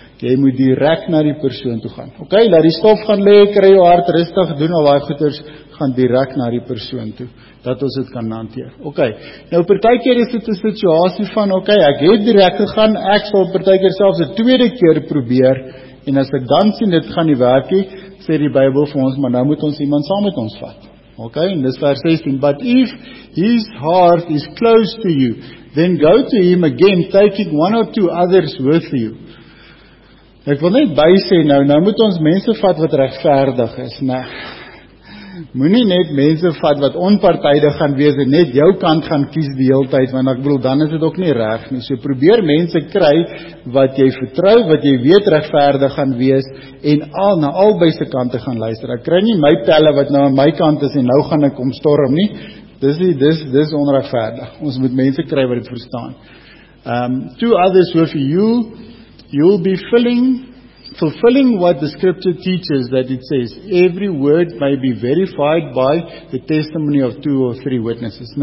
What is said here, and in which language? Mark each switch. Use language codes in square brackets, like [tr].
[af] Jy moet direct na die persoon toe gaan. Ok, laat die stof gaan lê, kry jou hart rustig, doen al die goeders, gaan direct na die persoon toe, dat ons dit kan hanteer. Ok, nou partykeer is dit 'n situasie van, ok, ek het direct gegaan, ek sal partykeer selfs 'n tweede keer probeer, en as ek dan sien, dit gaan nie werkie, sê die Bybel vir ons, maar nou moet ons iemand saam met ons vat. Ok, en dis vers 16, [en] but if his heart is close to you, then go to him again, taking one or two others with you. [af] Ek wil net bysê nou, nou moet ons mense vat wat regverdig is, nee. Moet nie net mense vat wat onpartydig gaan wees en net jou kant gaan kies die hele tyd, want ek bedoel, dan is dit ook nie reg nie. So probeer mense kry wat jy vertrou, wat jy weet regverdig gaan wees en al na albei se kante gaan luister. Ek kry nie my pelle wat nou aan my kant is en nou gaan ek omstorm nie. Dis onregverdig. Ons moet mense kry wat dit verstaan. [en] Two others with you, you'll be fulfilling what the scripture teaches that it says, every word may be verified by the testimony of two or three witnesses.